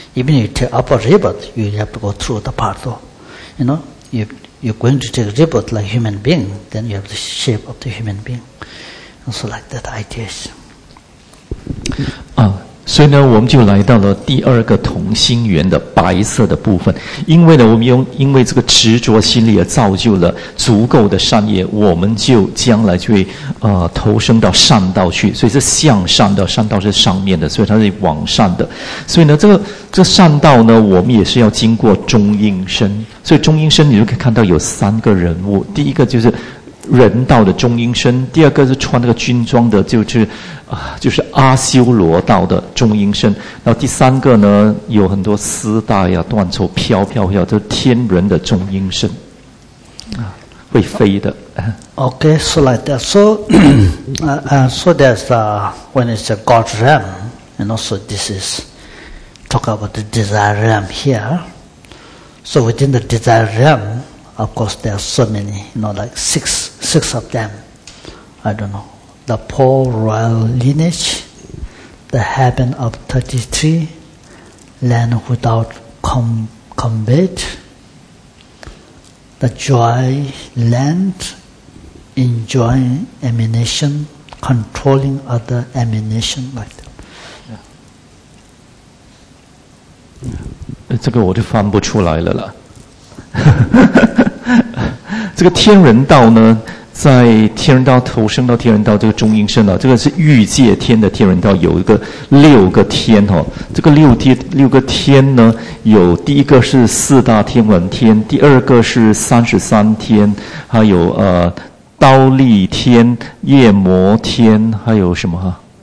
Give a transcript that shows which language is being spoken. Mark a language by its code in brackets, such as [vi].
[en] Even if you take upper rebirth, you have to go through the path. You know, if you're going to take rebirth like human being, then you have the shape of the human being. And so like that ideas. [zh] 所以呢，我们就来到了第二个同心圆的白色的部分。因为呢，我们因为这个执着心力而造就了足够的善业，我们就将来就会投生到善道去。所以是向善的，善道是上面的，所以它是往上的。所以呢，这善道呢，我们也是要经过中阴身。所以中阴身你就可以看到有三个人物，第一个就是。人道的中阴身，第二个是穿那个军装的，就是阿修罗道的中阴身，然后第三个呢，有很多丝带呀、断绸飘，就是天人的中阴身，啊，会飞的。 [en] Okay, so like that. So, so there's when it's a God realm, and also this is talk about the desire realm here. So within the desire realm. Of course, there are so many, you know, like six of them. I don't know. The poor royal lineage, the heaven of 33, land without combat, the joy land, enjoying emanation, controlling other emanation like that. Yeah. [zh] 这个我就翻不出来了啦。这个天人道呢，在天人道投生到天人道这个中阴身啊，这个是欲界天的天人道，有一个六个天哦。这个六个天呢，有第一个是四大天文天，第二个是33天，还有刀立天、夜魔天，还有什么哈？